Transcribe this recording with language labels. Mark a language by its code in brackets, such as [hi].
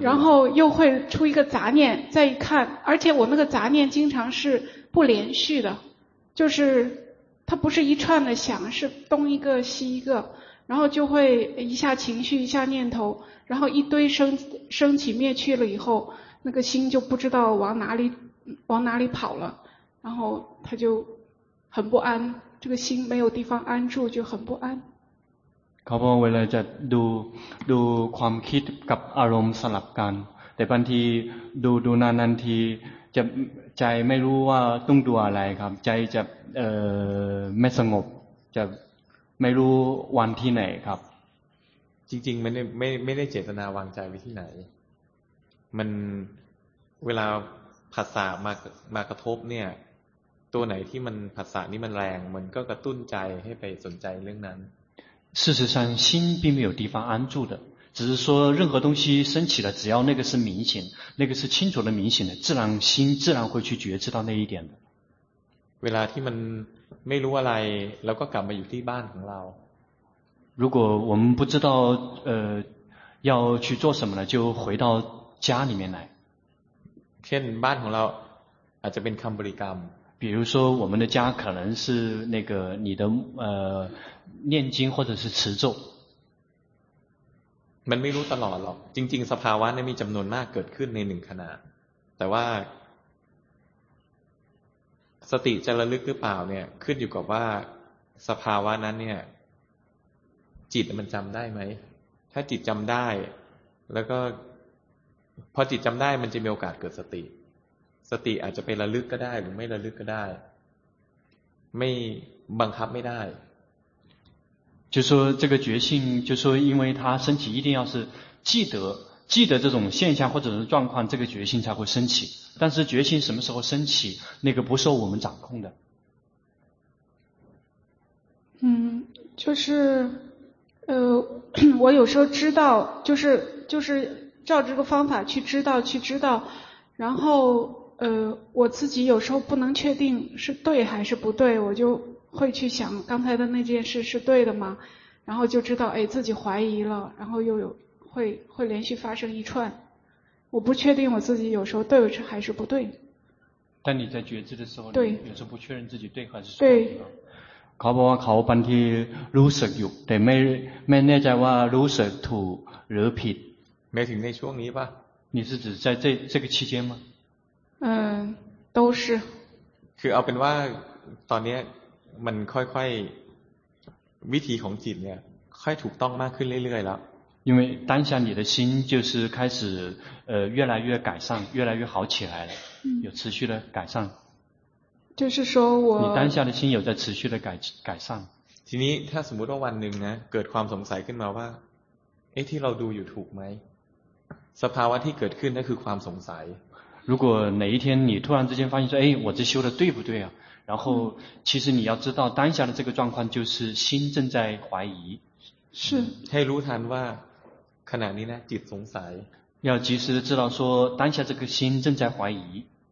[zh] 然后又会出一个杂念，再一看，而且我那个杂念经常是不连续的，就是它不是一串的响，是东一个西一个，然后就会一下情绪，一下念头，然后一堆升起灭去了以后，那个心就不知道往哪里跑了。然后他就很不安这个心没有地方安住就很不安 [th] เขาบอกเวลาจะดูความคิดกับอารมณ์สลับกันแต่บางทีดูนานๆทีจะใจไม่รู้ว่าต้องดูอะไรครับใจจะไม่สงบจะไม่รู้วันที่ไหนครับ จริงๆไม่ได้เจตนาวางใจไว้ที่ไหนมันเวลาผัสสะมากระทบเนี่ยตัวไหนที่มันผัสสะนี่มันแรงมันก็กระตุ้นใจให้ไปสนใจเรื่องนั้น [zh] 事实上心并没有地方安住的只是说任何东西升起了只要那个是明显那个是清楚的明显的自然心自然会去觉知到那一点的 [th] เวลาที่มันไม่รู้อะไรแล้วก็กลับมาอยู่ที่บ้านของเรา [zh] 如果我们不知道要去做什么呢就回到家里面来 [th] เช่นบ้านของเราอาจจะเป็นคำบริกรรม [zh] 比如说我们的家可能是那个你的念经或者是持咒 [th] มันไม่รู้ตลอดหรอกจริงๆสภาวะนี้มีจำนวนมากเกิดขึ้นในหนึ่งขณะแต่ว่า สติจะระลึกหรือเปล่าเนี่ยขึ้นอยู่กับว่าสภาวะนั้นเนี่ยจิตมันจำได้ไหมถ้าจิตจำได้แล้วก็พอจิตจำได้มันจะมีโอกาสเกิดสติสติอาจจะไประลึกก็ได้หรือไม่ระลึกก็ได้ไม่บังคับไม่ได้ [zh] 就说这个觉性就说因为它升起一定要是记得记得这种现象或者是状况这个觉性才会升起但是觉性什么时候升起那个不受我们掌控的就是我有时候知道就是照这个方法去知道然后我自己有时候不能确定是对还是不对我就会去想刚才的那件事是对的吗然后就知道哎自己怀疑了然后又有会连续发生一串我不确定我自己有时候对还是不对但你在觉知的时候对有时候不确认自己对还是对 [th] เขาบอกว่าเขาบางทีรู้สึกอยู่แต่ไม่แน่ใจว่ารู้สึกถูกหรือผิด ไม่ถึงในช่วงนี้ป่ะ [zh] 你是指在这个期间吗都是 [th] คือเอาเป็นว่าตอนนี้มันค่อยๆวิธีของจิตเนี่ยค่อยถูกต้องมากขึ้นเรื่อยๆแล้ว [zh] 因为当下你的心就是开始越来越改善越来越好起来了有持续的改善就是说我你当下的心有在持续的改善 [th] ทีนี้ถ้าสมมติว่าวันหนึ่งนะเกิดความสงสัยขึ้นมาว่าเอ๊ะที่เราดูอยู่ถูกไหมสภาวะที่เกิดขึ้นนั่นคือความสงสัย [zh] 如果哪一天你突然之间发现说哎我这修的对不对啊然后其实你要知道当下的这个状况就是心正在怀疑是 [th] ให้รู้ทันว่าขณะนี้นะจิตสงสัย [zh] 要及时知道说当下这个心正在怀疑